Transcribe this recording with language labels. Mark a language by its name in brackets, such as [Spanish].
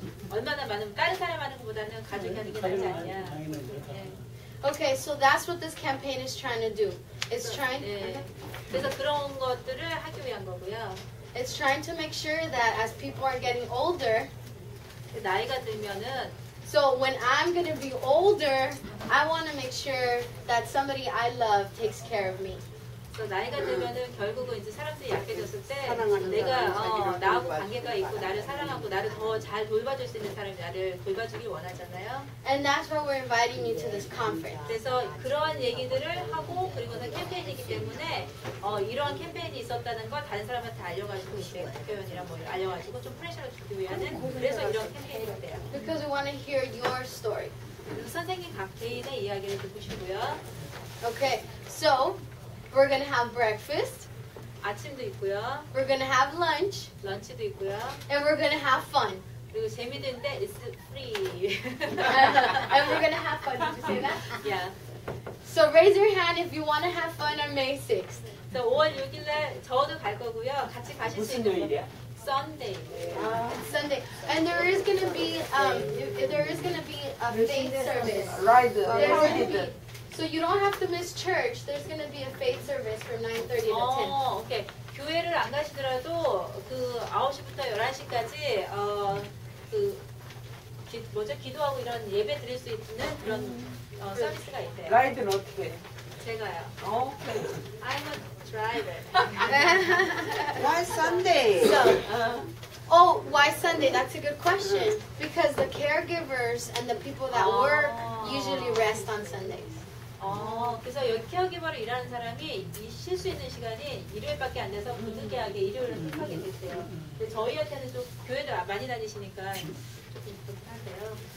[Korean] 얼마나 많은 다른 사람 하는 것보다는 가족이 하는 게 낫지 않냐? [English] Okay, so that's what this campaign is trying to do. It's trying. [Korean] 네. 그래서 그런 것들을 하기 위한 거고요. [English] It's trying to make sure that as people are getting older, [Korean] 나이가 들면은. [English] So when I'm gonna be older, I want to make sure that somebody I love takes care of me. [Korean] 나이가 들면은 결국은 이제 사람들이 약해졌을 때 내가 나하고 관계가 있고 나를 사랑하고 나를 더 잘 돌봐줄 수 있는 사람이 나를 돌봐주길 원하잖아요. [English] And that's why we're inviting you to this conference. [Korean] 그래서 그러한 얘기들을 하고 그리고는 캠페인이기 때문에 이러한 캠페인이 있었다는 걸 다른 사람한테 알려가지고 이제 표현이랑 뭐 알려가지고 좀 프레셔를 주기 위한 그래서 이런 캠페인이 돼요. [English] Because we want to hear your story. [Korean] 선생님 각개인의 이야기를 듣고 싶고요. [English] Okay, so we're gonna have breakfast. [Korean] 아침도 있고요. [English] We're gonna have lunch. [Korean] 런치도 있고요. [English] And we're gonna have fun. [Korean] 그리고 재미있는 데 [English] is free. And we're gonna have fun. Did you say that? Yeah. So raise your hand if you wanna have fun on May 6th. [Korean] So 5월 6일에 저도 갈 거고요. 같이 가실 수 있는 일이야. [English] Sunday. And there is gonna be a faith service. Right. So you don't have to miss church. There's going to be a faith service from 9:30 to 10. Oh, okay. [Korean] 교회를 안 가시더라도 그 9시부터 11시까지 기도하고 이런 예배 드릴 수 있는 그런 서비스가 있대요. 라이드는 어떻게? 제가요. [English] Okay. I'm a driver. Why Sunday? So, oh, why Sunday? That's a good question. Because the caregivers and the people that work usually rest on Sundays. [Korean] 그래서 여기 케어기버로 일하는 사람이 쉴 수 있는 시간이 일요일밖에 안 돼서 부득이하게 일요일을 택하게 됐어요. 근데 저희한테는 좀 교회도 많이 다니시니까 조금 부족한데요.